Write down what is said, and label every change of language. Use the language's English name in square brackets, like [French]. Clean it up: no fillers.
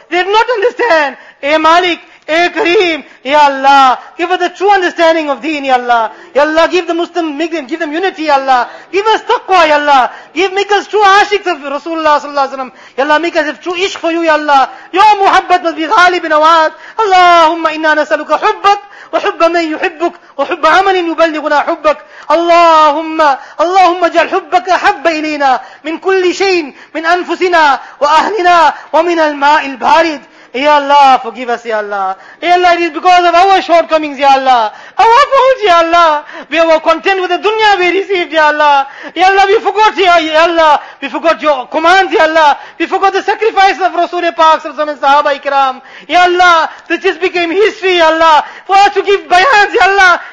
[English] They do not understand. Ey Malik, ey Kareem. Ya Allah, give us the true understanding of deen, ya Allah. Ya Allah, give the Muslim, make them, give them unity, ya Allah. Give us taqwa, ya Allah. Give, make us true ashiks of Rasulullah sallallahu alayhi wa sallam. Ya Allah, make us have true ishq for you, ya Allah. Your muhabbat must be ghalib in awad. [Arabic] Allahumma inna nasaluka hubbat. وحب من يحبك وحب عمل يبلغنا حبك. اللهم اللهم اجعل حبك أحب إلينا من كل شيء, من أنفسنا وأهلنا ومن الماء البارد. [English] Ya Allah, forgive us, ya Allah. Ya Allah, it is because of our shortcomings, ya Allah. Our fault, ya Allah. We were content with the dunya we received, ya Allah. Ya Allah, we forgot, ya Allah. We forgot your commands, ya Allah. We forgot the sacrifices of Rasul-e-Pak, and Sahaba Ikram. Ya Allah, this just became history, ya Allah. For us to give bayans, ya Allah.